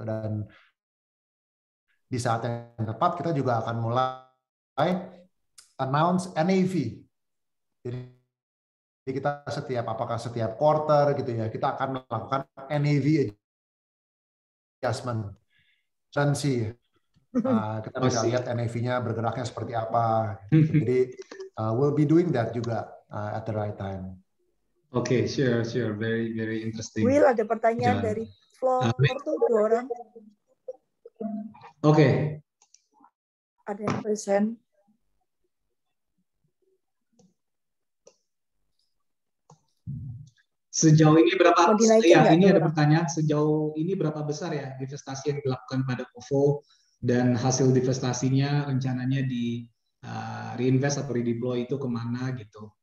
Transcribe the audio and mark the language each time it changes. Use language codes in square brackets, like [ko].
[id] Dan di saat yang tepat kita juga akan mulai announce NAV. Jadi Jadi kita setiap, apakah setiap quarter gitu ya, kita akan melakukan NAV adjustment. Transi. Kita bisa lihat NAV-nya bergeraknya seperti apa. [en] Jadi we'll be doing that juga at the right time. Oke, okay, sure, sure. Very, very interesting. [id] Will, ada pertanyaan jalan dari floor tuh, dua orang. Oke. Okay. Ada yang present. Sejauh ini berapa, ya, ini ada pertanyaan, sejauh ini berapa besar ya divestasi yang dilakukan pada OVO dan hasil divestasinya rencananya di reinvest atau redeploy itu kemana gitu?